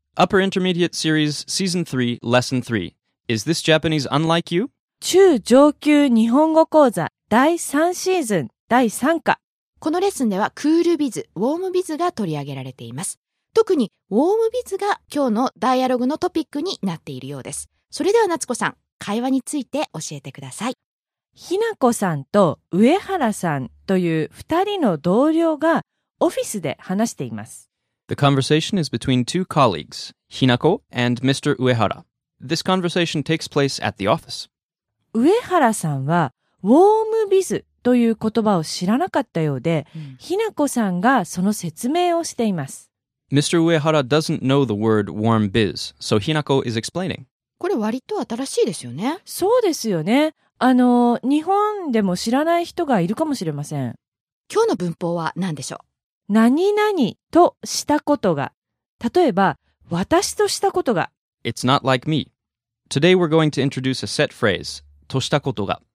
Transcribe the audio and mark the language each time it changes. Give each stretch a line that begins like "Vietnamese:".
English: Upper Intermediate Series Season 3 Lesson 3 Is This Japanese Unlike You?
Japanese: 中上級日本語講座第3シーズン第3課。このレッスンではクールビズ、ウォームビズが取り上げられています。特にウォームビズが今日のダイアログのトピックになっているようです。それでは夏子さん、会話について教えてください。ひなこさんと上原さんという2人の同僚がオフィスで話しています。
English: The conversation is between two colleagues, Hinako and Mr. Uehara. This conversation takes place at the office.
Japanese: Uehara さんはウォームビズという言葉を知らなかったようで、Hinako さんがその説明をしています。
English: Mr. Uehara doesn't know the word warm biz, so Hinako is explaining.
Japanese: これ割と新しいですよね。そうですよね。日本でも知らない人がいるかもしれません。今日の文法は何でしょう？何々としたことが、例えば私としたことが。
English: It's not like me. Today we're going to introduce a set phrase としたことが。